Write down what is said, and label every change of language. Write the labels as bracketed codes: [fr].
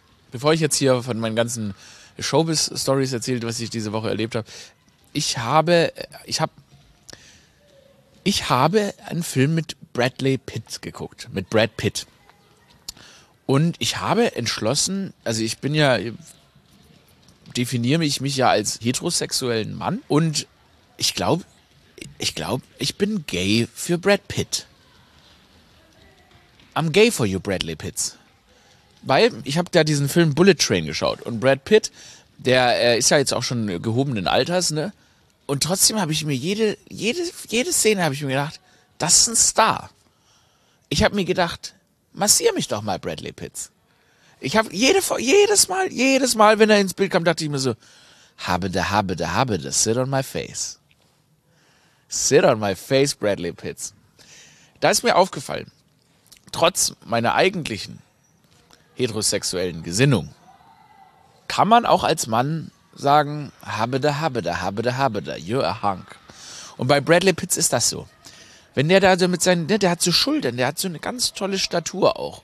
[de] Bevor ich jetzt hier von meinen ganzen Showbiz-Stories erzähle, was ich diese Woche erlebt habe, ich habe einen Film mit Bradley Pitt geguckt, mit Brad Pitt. Und ich habe entschlossen, also ich bin ja, definiere ich mich ja als heterosexuellen Mann und ich glaube, ich bin gay für Brad Pitt. [en] I'm gay for you, Bradley Pitts. [de] Weil ich habe da diesen Film Bullet Train geschaut und Brad Pitt, der ist ja jetzt auch schon gehobenen Alters, ne? Und trotzdem habe ich mir jede Szene habe ich mir gedacht, das ist ein Star. Ich habe mir gedacht, massier mich doch mal, Bradley Pitts. Ich habe jedes Mal, wenn er ins Bild kam, dachte ich mir so, habe da, [en] sit on my face. Sit on my face, Bradley Pitts. [de] Da ist mir aufgefallen, trotz meiner eigentlichen heterosexuellen Gesinnung, kann man auch als Mann sagen, habe da, [en] you're a hunk. [de] Und bei Bradley Pitts ist das so. Wenn der da so mit seinen, der hat so Schultern, der hat so eine ganz tolle Statur auch.